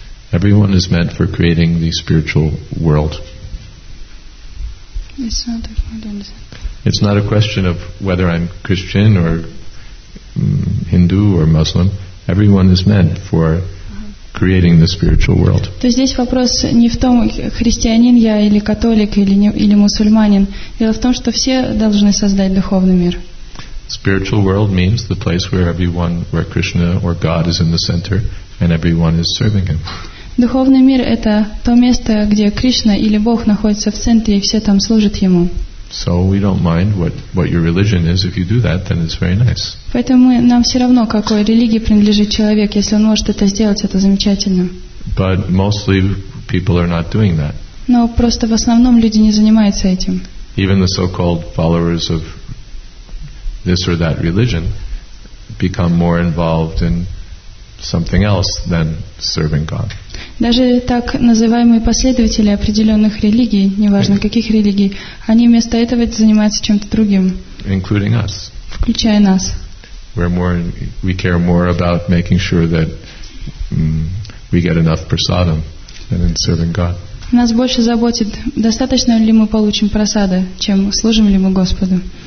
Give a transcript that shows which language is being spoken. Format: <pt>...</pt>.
<en>Everyone is meant for creating the spiritual world. It's not a question of whether I'm Christian or Hindu or Muslim. Everyone is meant for creating the spiritual world.</en> <ru>То здесь вопрос не в том, христианин я или католик или не или мусульманин. Дело в том, что все должны создать духовный мир.</ru> <en>Spiritual world means the place where everyone, where Krishna or God is in the center, and everyone is serving him.</en> <ru>Духовный мир — это то место, где Кришна или Бог находится в центре, и все там служат Ему.</ru> <en>So we don't mind what your religion is. If you do that, then it's very nice.</en> <ru>Поэтому нам все равно, какой религии принадлежит человек, если он может это сделать, это замечательно.</ru> <en>But mostly people are not doing that.</en> <ru>Но просто в основном люди не занимаются этим.</ru> <en>Even the so-called followers of this or that religion become more involved in something else than serving God.</en> <ru>Даже так называемые последователи определенных религий, неважно каких религий, они вместо этого занимаются чем-то другим.</ru> <en>Including us.</en> <ru>Включая нас.</ru> <en>We care more about making sure that we get enough prasadam than in serving God.</en> <ru>Нас больше заботит, достаточно ли мы получим просады, чем служим ли мы Господу.</ru>